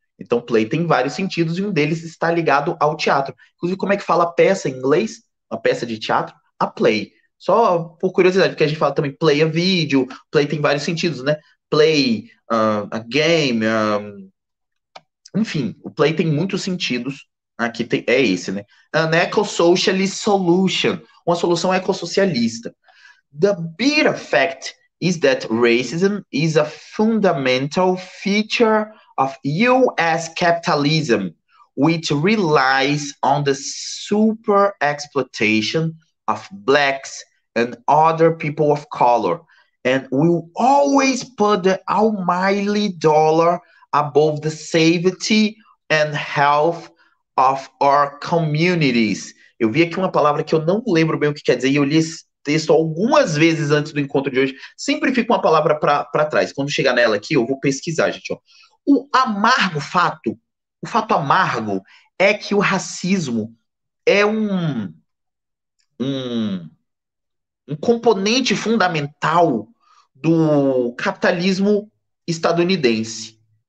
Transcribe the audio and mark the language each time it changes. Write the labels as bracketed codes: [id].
[pt] Então, play tem vários sentidos e um deles está ligado ao teatro. Inclusive, como é que fala peça em inglês? Uma peça de teatro? [en] A play. [pt] Só por curiosidade, porque a gente fala também [en] play a vídeo, [pt] play tem vários sentidos, né? [en] Play, a game. [pt] Enfim, o play tem muitos sentidos. Aqui tem, é esse, né? [en] An eco-socialist solution. [pt] Uma solução ecossocialista. [en] The bitter fact is that racism is a fundamental feature of US capitalism, which relies on the super exploitation of blacks and other people of color, and will always put the almighty dollar above the safety and health of our communities. [pt] Eu vi aqui uma palavra que eu não lembro bem o que quer dizer, e eu li esse texto algumas vezes antes do encontro de hoje. Sempre fica uma palavra para trás. Quando chegar nela aqui, eu vou pesquisar, gente, ó. O amargo fato, o fato amargo é que o racismo é um componente fundamental do capitalismo estadunidense.